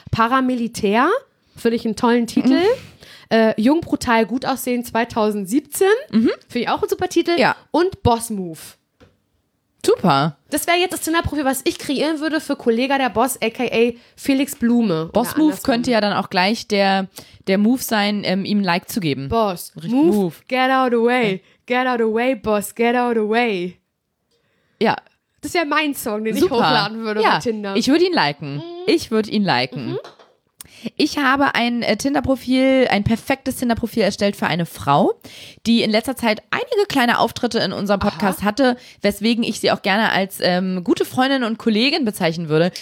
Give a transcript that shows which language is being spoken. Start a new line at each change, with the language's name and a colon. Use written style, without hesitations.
German: Paramilitär, finde ich einen tollen Titel. Jung, brutal, gut aussehen 2017. Finde ich auch ein super Titel. Ja. Und Boss Move. Super. Das wäre jetzt das Tinder-Profil, was ich kreieren würde für Kollega der Boss, a.k.a. Felix Blume. Boss Move könnte ja dann auch gleich der Move sein, ihm ein Like zu geben.
English: Boss, move, get out of the way. Get out of the way, Boss, get out of the way.
German: Ja. Das wäre mein Song, den ich hochladen würde auf Tinder. Ich würde ihn liken. Ich habe ein Tinder-Profil, ein perfektes Tinder-Profil erstellt für eine Frau, die in letzter Zeit einige kleine Auftritte in unserem Podcast hatte, weswegen ich sie auch gerne als gute Freundin und Kollegin bezeichnen würde.